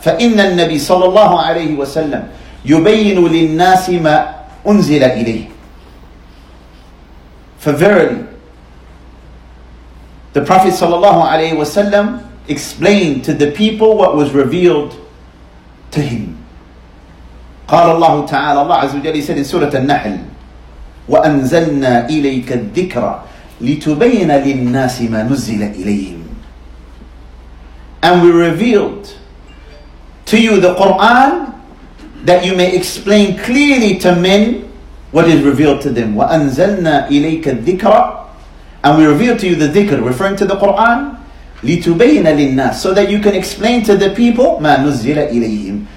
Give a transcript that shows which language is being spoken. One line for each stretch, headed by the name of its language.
Arabic: فَإِنَّ النَّبِي صَلَى اللَّهُ عَلَيْهِ وَسَلَّمْ يُبَيِّنُ لِلنَّاسِ مَا أُنزِلَ إِلَيْهِ.
English: For verily, the Prophet صلى الله عليه وسلم explained to the people what was revealed to him.
Arabic: قال الله تعالى,
English: Allah عز وجل said in Surah An-Nahl,
Arabic: وَأَنزَلْنَا إِلَيْكَ الذِّكْرَ لِتُبَيْنَ لِلنَّاسِ مَا نُزِّلَ إِلَيْهِمْ.
English: And we revealed to you the Qur'an that you may explain clearly to men what is revealed to them.
Arabic: وَأَنزَلْنَا إِلَيْكَ الذِّكْرَ.
English: And we revealed to you the dhikr, referring to the Qur'an,
Arabic: لِتُبَيْنَ لِلنَّاسِ,
English: so that you can explain to the people
Arabic: مَا نُزِّلَ إِلَيْهِمْ.